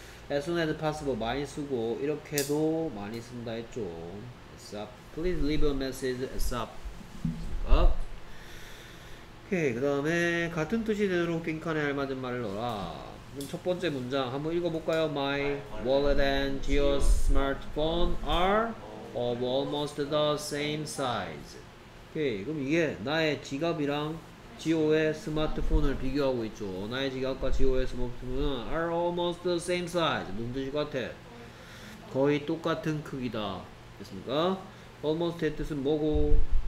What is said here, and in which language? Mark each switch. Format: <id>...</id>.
<en>As soon as possible</en> <ko>많이 쓰고 이렇게도 많이 쓴다 했죠.</ko> <en>As up. Please leave a message as up. 어? 오케이.</en> <ko>그 다음에 같은 뜻이 되도록 빈칸에 알맞은 말을 넣어라. 그럼 첫 번째 문장 한번 읽어볼까요?</ko> <en>My wallet and Geo smartphone are of almost the same size. 오케이.</en> <ko>그럼 이게 나의 지갑이랑 지오의 스마트폰을 비교하고 있죠. 나의 지갑과 지오의 스마트폰은</ko> <en>are almost the same size.</en> <ko>무슨 뜻일 것 같아? 거의 똑같은 크기다. 됐습니까? almost의 뜻은 뭐고?</ko>